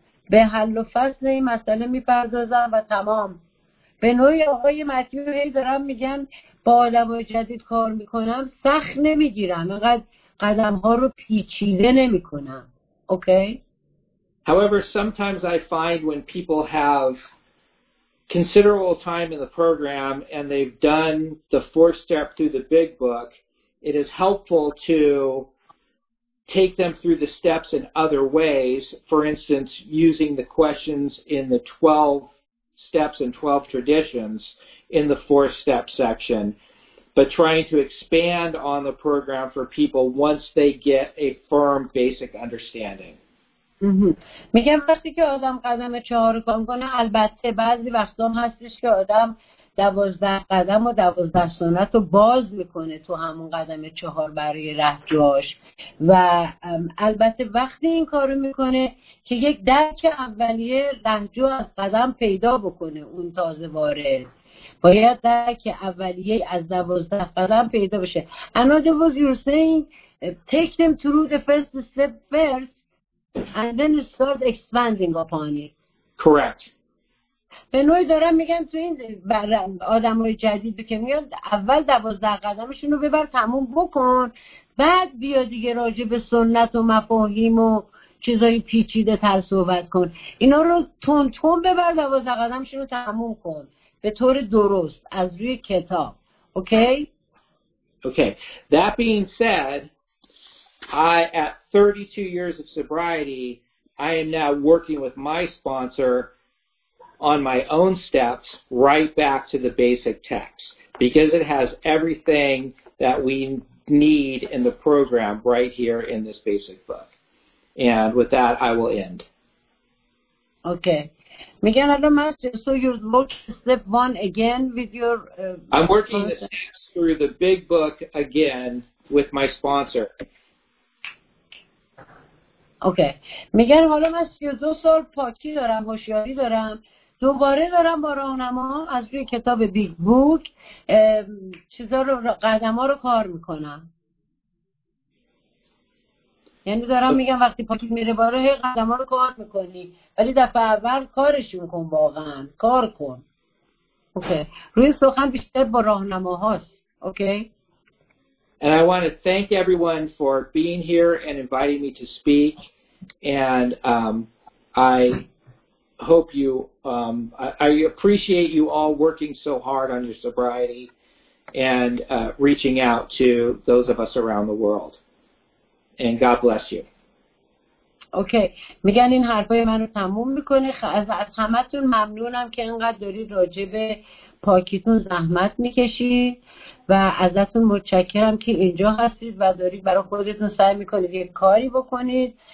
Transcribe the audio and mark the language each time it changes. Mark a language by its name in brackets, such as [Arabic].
[Persian] به حل و فصل این مسئله میپردازم و تمام. به نوعی آقای متیو هی دارم میگم با آدم های جدید کار میکنم سخت نمیگیرم، اینقدر قدم ها رو پیچیده نمی کنم. اوکی؟ [English] However, sometimes I find when people have considerable time in the program and they've done the 4 step through the big book, it is helpful to take them through the steps in other ways. For instance, using the questions in the 12 steps and 12 traditions in the 4 step section, but trying to expand on the program for people once they get a firm basic understanding. [Persian] میگم وقتی که آدم قدم 4 رو کام کنه، البته بعضی وقتا هم هستش که آدم 12 قدم و 12 سنت رو باز میکنه تو همون قدم 4 برای رهجوش، و البته وقتی این کارو میکنه که یک درک اولیه رهجو از قدم پیدا بکنه، اون تازه وارد باید درک اولیه از 12 قدم پیدا بشه. [English] Another was you're saying take them through the first step first and then start expanding upon it. Correct. [Persian] به نوعی دارم میگم تو این آدم های جدید که میاد، اول 12 قدمشون رو ببر تموم بکن، بعد بیا دیگه راجع به سنت و مفاهیم و چیزای پیچیده تر صحبت کن. اینا رو تون تون ببر، 12 قدمشون رو تموم کن به طور درست از روی کتاب. اوکی. [English] That being said, I at 32 years of sobriety, I am now working with my sponsor on my own steps right back to the basic text because it has everything that we need in the program right here in this basic book. And with that, I will end. Okay. Megan, I don't know, so you look step one again with your... I'm working the steps through the big book again with my sponsor. Okay. Megan, I don't know, so you look step one again with your sponsor. [Persian] دوباره دارم با راهنما از روی کتاب بیگ بوک چیزا رو، قدم ها رو کار میکنم. یعنی دارم میگم وقتی پاکیت میره باره هی قدم ها رو کار میکنی، ولی دفعه اول کارش میکن، واقعا کار کن. اوکی. روی سخن بیشتر با راهنما هاست. اوکی. [English] And I want to thank everyone for being here and inviting me to speak. And I appreciate you all working so hard on your sobriety and reaching out to those of us around the world. And God bless you. Okay. [Persian] میگن این حرفای من رو تموم میکنه. از همتون ممنونم که انقدر دارید راجع به پاکیتون زحمت میکشید و ازتون متشکرم که اینجا هستید و دارید برای خودتون سعی میکنید یک کاری بکنید.